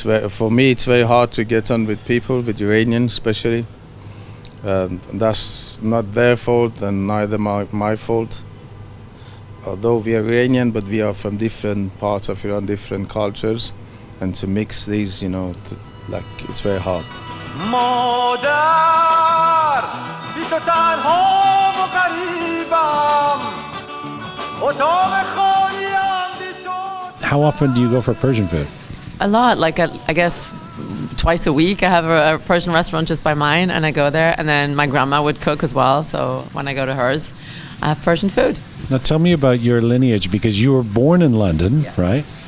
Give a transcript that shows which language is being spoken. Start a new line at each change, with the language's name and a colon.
English: For me, it's very hard to get on with people, with Iranians especially. That's not their fault and neither my fault. Although we are Iranian, but we are from different parts of Iran, different cultures. And to mix these, you know, it's very hard.
Persian: مادر بی تو تنها و غریبم اتاق خالیم بی تو.
English: How often do you go for Persian food? A lot, like I guess twice a week. I have a Persian restaurant just by mine and I go there, and then my grandma would cook as well, so when I go to hers I have Persian food. Now tell me about your lineage, because you were born in London, yeah. Right?